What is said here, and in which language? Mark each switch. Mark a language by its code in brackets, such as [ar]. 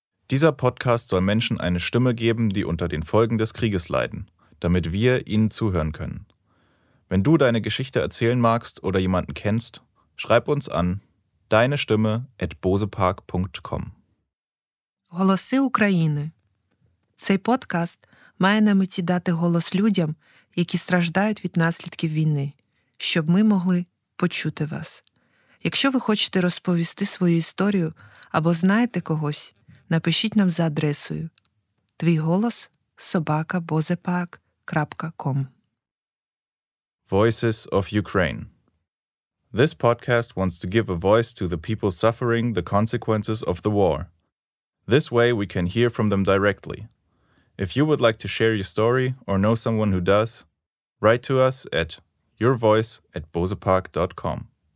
[de] Dieser Podcast soll Menschen eine Stimme geben, die unter den Folgen des Krieges leiden, damit wir ihnen zuhören können. Wenn du deine Geschichte erzählen magst oder jemanden kennst, schreib uns an deinestimme@bosepark.com. [uk] Голоси України. Цей подкаст має на меті дати голос людям, які страждають від наслідків війни, щоб ми могли почути вас. Якщо ви хочете розповісти свою історію або знаєте когось, напишіть нам за адресою твій голос@bozepark.com. [en] Voices of Ukraine. This podcast wants to give a voice to the people suffering the consequences of the war. This way we can hear from them directly. If you would like to share your story or know someone who does, write to us at yourvoice@bozepark.com.